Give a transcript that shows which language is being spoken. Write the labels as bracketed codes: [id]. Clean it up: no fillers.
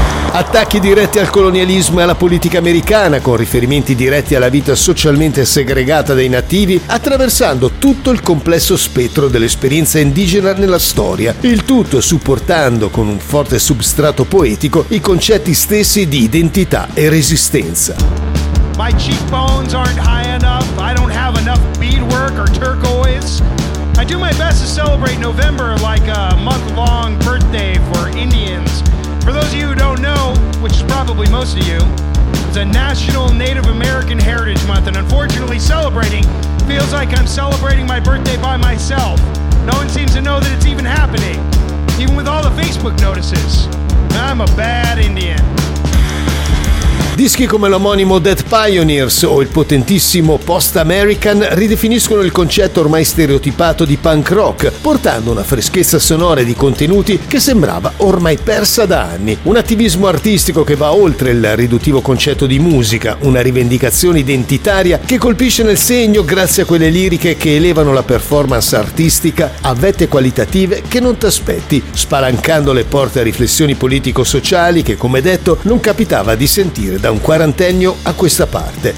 [it] Attacchi diretti al colonialismo e alla politica americana, con riferimenti diretti alla vita socialmente segregata dei nativi, attraversando tutto il complesso spettro dell'esperienza indigena nella storia, il tutto supportando con un forte substrato poetico i concetti stessi di identità e resistenza. [en] My cheekbones aren't high enough, I don't have enough beadwork or turquoise. I do my best to celebrate November like a month-long birthday for Indians. For those of you who don't know, which is probably most of you, it's a National Native American Heritage Month, and unfortunately celebrating feels like I'm celebrating my birthday by myself. No one seems to know that it's even happening, even with all the Facebook notices. I'm a bad Indian. [it] Dischi come l'omonimo Dead Pioneers o il potentissimo Post American ridefiniscono il concetto ormai stereotipato di punk rock, portando una freschezza sonora di contenuti che sembrava ormai persa da anni. Un attivismo artistico che va oltre il riduttivo concetto di musica, una rivendicazione identitaria che colpisce nel segno grazie a quelle liriche che elevano la performance artistica a vette qualitative che non t'aspetti, spalancando le porte a riflessioni politico-sociali che, come detto, non capitava di sentire da un quarantennio a questa parte.